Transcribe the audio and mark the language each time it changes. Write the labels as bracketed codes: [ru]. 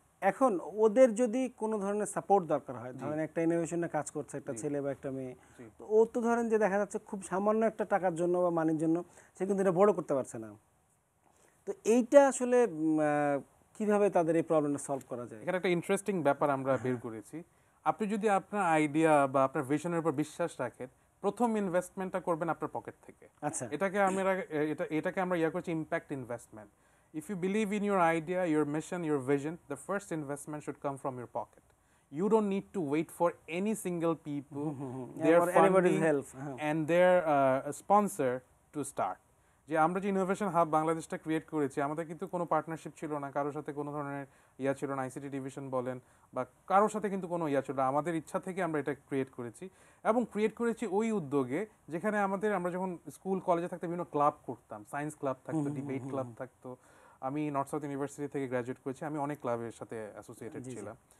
[bn] এখন ওদের যদি কোনো ধরনের সাপোর্ট দরকার হয়, ধরেন একটা ইনোভেশনে কাজ করছে একটা ছেলে বা একটা মেয়ে, ও তো ধরেন যে দেখা যাচ্ছে খুব সামান্য একটা টাকার জন্য বা মানির জন্য সে কিন্তু এটা বড় করতে পারছে না, তো এইটা আসলে কীভাবে তাদের এই প্রবলেমটা সলভ করা যায়? এখানে একটা ইন্টারেস্টিং ব্যাপার আমরা বের করেছি, আপনি যদি আপনার আইডিয়া বা আপনার ভিশনের উপর বিশ্বাস রাখেন, প্রথম ইনভেস্টমেন্টটা করবেন আপনার পকেট থেকে। আচ্ছা, এটাকে আমরা ইয়া করছি impact investment. [en] If you believe in your idea, your mission, your vision, the first investment should come from your pocket. You don't need to wait for any single people, their funding, help. And their sponsor to start. [bn] যে আমরা যে innovation hub বাংলাদেশটা create করেছি, আমাদের কিন্তু কোনো partnership ছিল না, কারোর সাথে কোনো ধরনের ইয়া ছিল না, আইসিটি ডিভিশন বলেন বা কারোর সাথে কিন্তু কোনো ইয়া ছিল না, আমাদের ইচ্ছা থেকে আমরা এটা ক্রিয়েট করেছি এবং ক্রিয়েট করেছি ওই উদ্যোগে যেখানে আমাদের, আমরা যখন স্কুল কলেজে থাকতে বিভিন্ন ক্লাব করতাম, সায়েন্স ক্লাব থাকতো, ডিবেট ক্লাব থাকতো, আমি নর্থ সাউথ ইউনিভার্সিটি থেকে গ্র্যাজুয়েট করেছি, আমি অনেক ক্লাবের সাথে অ্যাসোসিয়েটেড ছিলাম।